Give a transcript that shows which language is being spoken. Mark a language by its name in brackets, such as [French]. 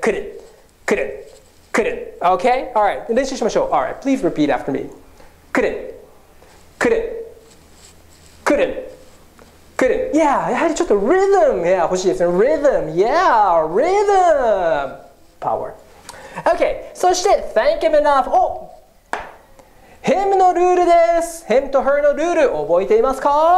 [Japanese] くるん。くるん。くるん。 [English] Okay? Alright. [Japanese] 練習しましょう。Alright. [English] Please repeat after me. [Japanese] くるん。くるん。くるん。 Yeah, やはりちょっとリズム、yeah, 欲しいですね。リズム、yeah, リズム。 [English] Power. Okay, [Japanese] そして、 [English] thank him enough. [Japanese] Oh! Him のルールです。 Him と her のルール、覚えていますか?